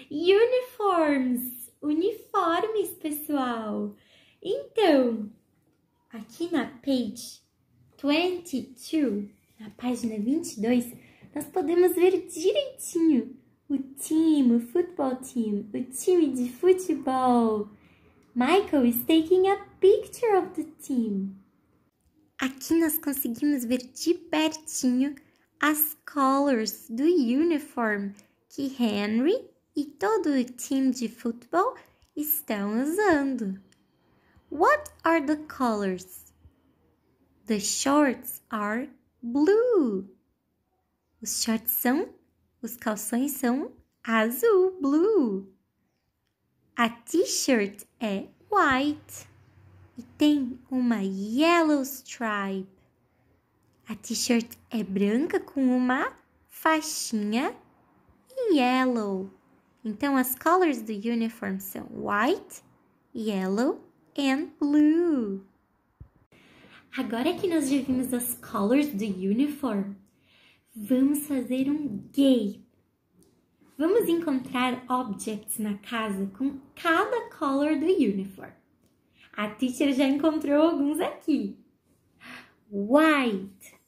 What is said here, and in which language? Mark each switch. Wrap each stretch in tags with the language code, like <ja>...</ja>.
<en>Uniforms!</en> <pt>Uniformes, pessoal! Então, aqui na page 22, na página 22, nós podemos ver direitinho o time, o</pt> <en>football team,</en> <pt>o time de futebol.</pt> <en>Michael is taking a picture of the team.</en> <pt>Aqui nós conseguimos ver de pertinho as colors do uniform que Henry e todo o time de futebol estão usando.</pt> <en>What are the colors? The shorts are blue.</en> <pt>Os shorts são, os calções são azul, blue. A t-shirt é white. E tem uma</pt> <en>yellow stripe.</en> <pt>A t-shirt é branca com uma faixinha yellow. Então, as colors do uniform são</pt> <en>white, yellow and blue.</en> <pt>Agora que nós já vimos as colors do uniform, vamos fazer um game. Vamos encontrar objects na casa com cada color do uniform. A teacher já encontrou alguns aqui. White.</pt>